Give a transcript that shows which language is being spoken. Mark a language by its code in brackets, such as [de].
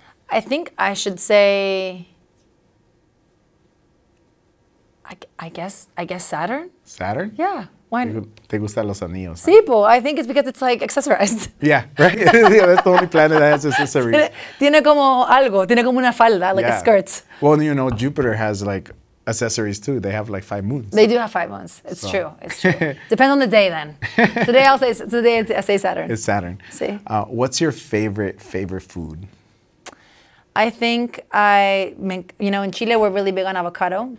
[en] I think I should say, I guess Saturn. Saturn? Yeah. Why? [es] Te gustan los anillos. Sí, po. [en] I think it's because it's like accessorized. Yeah, right? Yeah, that's the only planet that has accessories. [es] Tiene como algo, tiene como una falda, [en] like a skirt. Well, you know, Jupiter has like accessories too. They have like 5 moons. They do have 5 moons. It's so true. It's true. Depends on the day then. Today I say Saturn. It's Saturn. See. What's your favorite food? I think in Chile we're really big on avocado.